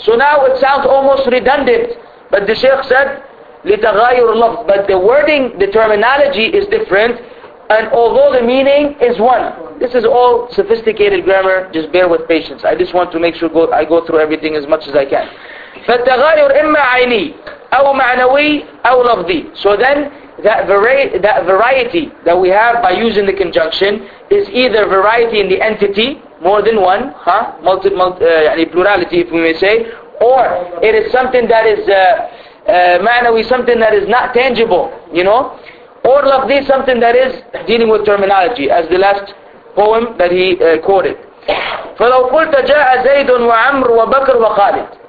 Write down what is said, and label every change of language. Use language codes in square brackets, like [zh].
[en] So now it sounds almost redundant, but the Shaykh said [ar] لتغاير اللفظ, [en] but the wording, the terminology is different, and although the meaning is one. This is all sophisticated grammar, just bear with patience. I just want to make sure I go through everything as much as I can. [ar] فالتغاير إما عيني أو معنوي أو لفظي. [en] So then that variety that we have by using the conjunction is either variety in the entity, more than one, huh? Plurality if we may say, or it is something that is معنوي, something that is not tangible, you know, or لفظي, something that is dealing with terminology, as the last poem that he quoted. [ar] فلو قلت جاء زيد وعمر وبكر وخالد.